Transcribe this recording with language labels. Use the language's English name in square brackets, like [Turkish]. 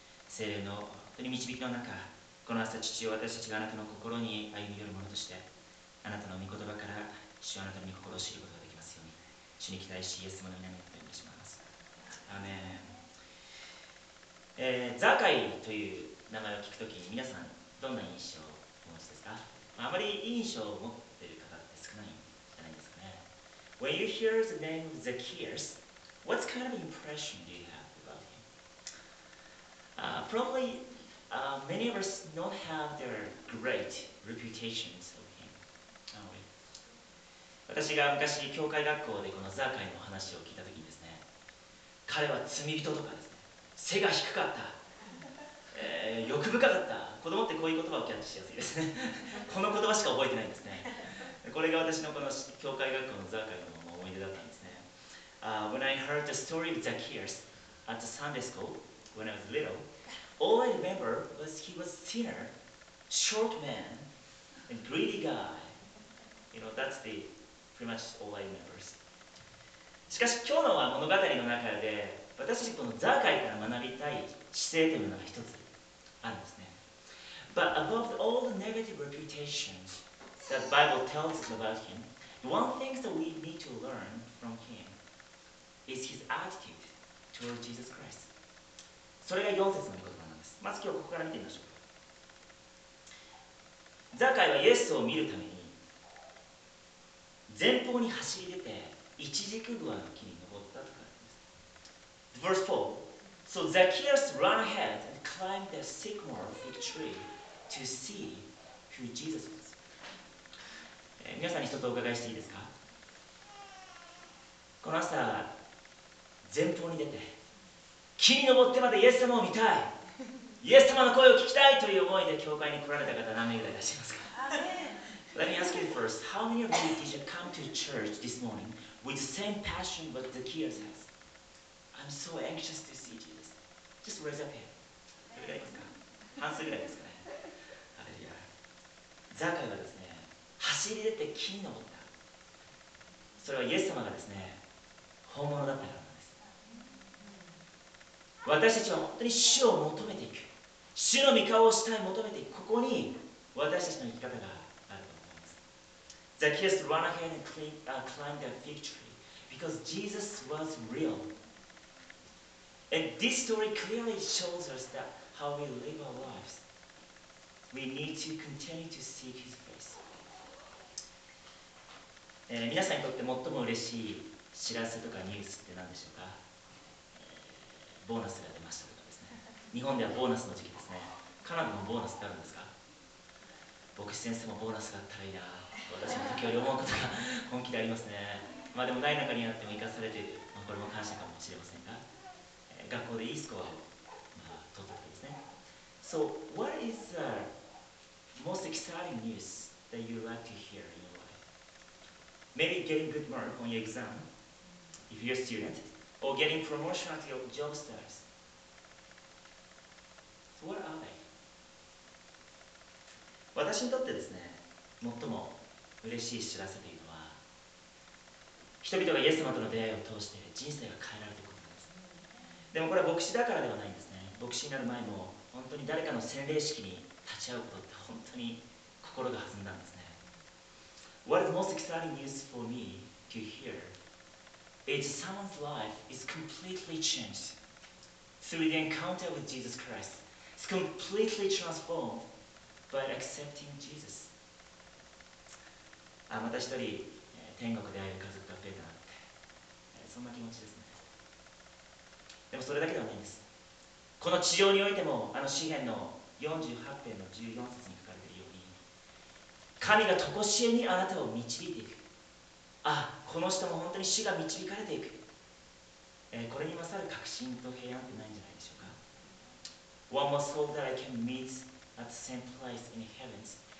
[Japanese] 聖霊の本当に導きの中、この朝父を私たちがあなたの心に歩み寄るものとして、あなたの御言葉から主はあなたの御心を知ることができますように、主に期待しイエス様の名によってお願いします。アーメン。ザカイという名前を聞くときに皆さんどんな印象をお持ちですか？あまりいい印象を持っている方って少ないんじゃないですかね。 [English] When you hear the name of Zacchaeus, what kind of impression do you have about him? Probably, many of us don't have their great reputations of him, are we? [Japanese] 私が昔教会学校でこのザカイの話を聞いたときにですね、彼は罪人とかですね、背が低かった。欲深かった。子供ってこういう言葉をキャッチしやすいですね。この言葉しか覚えてないんですね。これが私のこの教会学校のザーカイの思い出だったんですね。 [English] When I heard the story of Zacchaeus at the Sunday school when I was little, all I remember was he was thinner, short man, and greedy guy. You know, that's the pretty much all I remember. [Japanese] しかし今日の物語の中で私たちこのザーカイから学びたい姿勢というのが一つあるんですね。 [English] But above all the negative reputations that the Bible tells us about him, the one thing that we need to learn from him is his attitude toward Jesus Christ. [Japanese] それが4節の言葉なんです。まず今日ここから見てみましょう。ザカイはイエスを見るために前方に走り出て一軸桑の木に登ったと書いてあります。 [English] Verse 4. So Zacchaeus ran ahead and climbed the sycamore fig tree to see who Jesus was. [Japanese] 皆さんに一つお伺いしていいですか？この朝、前方に出て、木に登ってまでイエス様を見たい、イエス様の声を聞きたいという思いで教会に来られた方、何名ぐらいいらっしゃいますか？ [English] Let me ask you first, how many of you did you come to church this morning with the same passion what Zacchaeus has? I'm so anxious to see Jesus. Just raise up here. [Japanese] どれぐらいですか？半数ぐらいですかね。あれじゃあ、ザカイはですね、走り出て木に登った。それはイエス様がですね、本物だったからなんです。私たちは本当に主を求めていく。主の御顔をしたい求めていく。ここに私たちの生き方があると思います。 [English] ザキエス ran ahead and climbed a fig tree because Jesus was real. And this story clearly shows us that how we live our lives. We need to continue to seek His face. [Japanese] 皆さんにとって最も嬉しい知らせとかニュースって何でしょうか？ボーナスが出ましたとかですね。日本ではボーナスの時期ですね。カナダもボーナスってあるんですか？牧師先生もボーナスがあったらいいなと私も時折思うことが本気でありますね。まあでもない中にあっても生かされて、まあ、これも感謝かもしれませんが。学校でいいスコアを、まあ、取ったわけですね。 [English] So, what is the most exciting news that you like to hear in your life? Maybe getting good mark on your exam, if you're a student, or getting promotion at your job status. So, what are they? [Japanese] 私にとってですね、最も嬉しい知らせというのは、人々がイエス様との出会いを通して人生が変えられていく。でもこれは牧師だからではないんですね。牧師になる前も本当に誰かの洗礼式に立ち会うことって本当に心が弾んだんですね。 [English] What is the most exciting news for me to hear is someone's life is completely changed through the encounter with Jesus Christ. It's completely transformed by accepting Jesus. [Japanese] また一人、天国で会える家族が増えたなって。そんな気持ちですね。でもそれだけではないんです。この地上においても、あの詩篇の48編の14節に書かれているように、神が常しえにあなたを導いていく。あ、この人も本当に主が導かれていく。これに勝る確信と平安ってないんじゃないでしょうか。 [English] One must hope that I can meet at the same place in heavens.